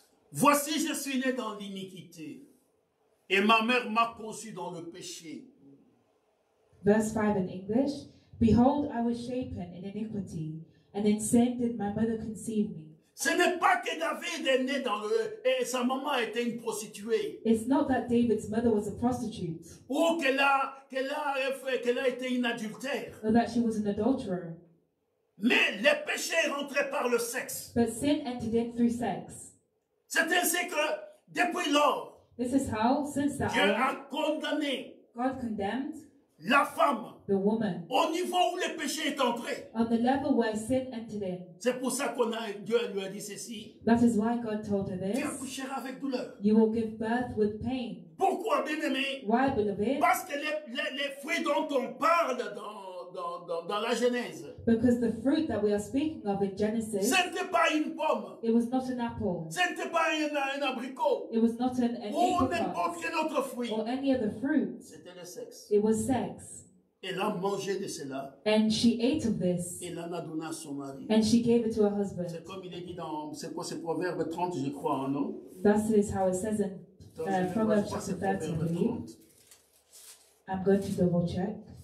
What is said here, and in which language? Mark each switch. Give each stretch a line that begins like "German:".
French: voici, je suis né dans l'iniquité et ma mère m'a conçu dans le péché.
English: Verse 5 in English. Behold, I was shapen in iniquity and in sin did my mother conceive me.
French: Ce n'est pas que David est né dans le... et sa maman était une prostituée.
English: It's not that David's mother was a prostitute.
French: Ou qu'elle a été une adultère.
English: Or that she was an adulterer.
French: Mais le péché est rentré par le sexe.
English: But sin entered in through sex.
French: C'est ainsi que depuis lors,
English: this is how, since that
French: Dieu a condamné,
English: God condemned,
French: la femme,
English: the woman,
French: au niveau où le péché est entré,
English: on the level where sin entered in.
French: C'est pour ça qu'on a, Dieu lui a dit ceci.
English: That is why God told her this.
French: Tu accoucheras avec douleur.
English: You will give birth with pain.
French: Pourquoi, bien-aimé?
English: Why, beloved?
French: Parce que les fruits dont on parle dans la Genèse.
English: Because the fruit that we are speaking of in Genesis,
French: c'était pas une pomme.
English: It was not an apple.
French: C'était pas un abricot.
English: It was not an apricot.
French: Ou n'importe quel autre fruit.
English: Or any other fruit.
French: C'était le sexe.
English: It was sex.
French: Elle a mangé de cela.
English: And she ate of this.
French: Elle en a donné à son mari.
English: And she gave it to her husband.
French: C'est comme il est dit dans, c'est quoi, c'est Proverbe 30, je crois, non?
English: That is how it says in Proverbs chapter 30. I'm going to double check.